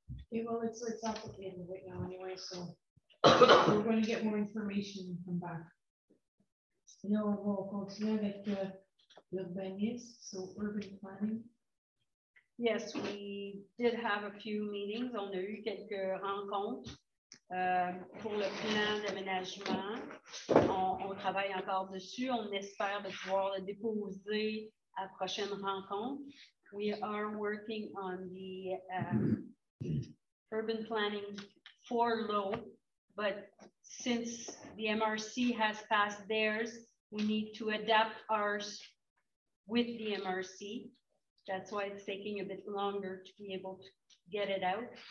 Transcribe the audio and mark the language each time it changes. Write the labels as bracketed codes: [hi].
[en] Yeah, well, it's complicated right now anyway, so we're going to get more information and come back. You know, folks, we have the venues, so urban planning. Yes, we did have a few meetings. [fr] On a eu quelques rencontres pour le plan d'aménagement. On travaille encore dessus. On espère de pouvoir le déposer à la prochaine rencontre. [en] We are working on the urban planning for low, but since the MRC has passed theirs, we need to adapt ours with the MRC. That's why it's taking a bit longer to be able to get it out.